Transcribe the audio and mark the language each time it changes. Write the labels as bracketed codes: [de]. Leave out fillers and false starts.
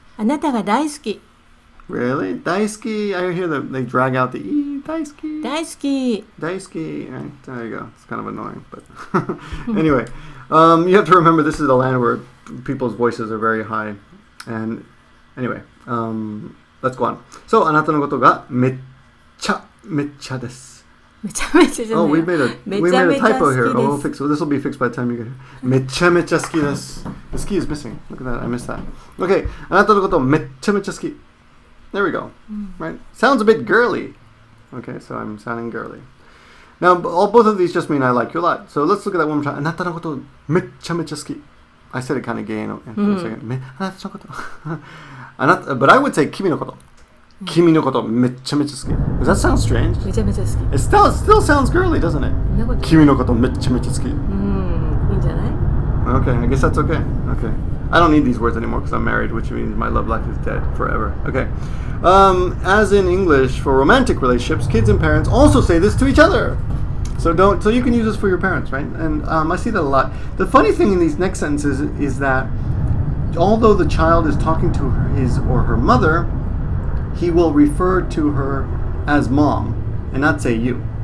[ja] あなたが大好き. [en] Really? 大好き. I hear that they drag out the E. [ja] 大好き. 大好き. [en] 大好き.Right, there you go. It's kind of annoying. But anyway, you have to remember this is a land where people's voices are very high. And anyway, let's go on. [ja] So, あなたのことがめっちゃめっちゃです. めちゃめちゃじゃない. [en] Oh, we made a typo here. Oh, we'll fix it. This will be fixed by the time you get here. [ja] めちゃめちゃ好きです. [en] The ski is missing. Look at that. I missed that. Okay. [ja] あなたのことめちゃめちゃ好き. [en] There we go. Right? Sounds a bit girly. Okay, so I'm sounding girly. Now, both of these just mean I like you a lot. So let's look at that one more time. [ja] あなたのことめちゃめちゃ好き. [en] I said it kind of gay in a second. But I would say [ja] 君のこと. 君のことめっちゃめちゃ好き. [en] Does that sound strange? [ja] めちゃめちゃ好き. [en] It still sounds girly, doesn't it? [ja] 君のことめっちゃめちゃ好き. いいんじゃない? [en] Okay, I guess that's okay. Okay. I don't need these words anymore because I'm married, which means my love life is dead forever. Okay. As in English, for romantic relationships, kids and parents also say this to each other. So you can use this for your parents, right? And I see that a lot. The funny thing in these next sentences is that although the child is talking to his or her mother, he will refer to her as mom and not say you.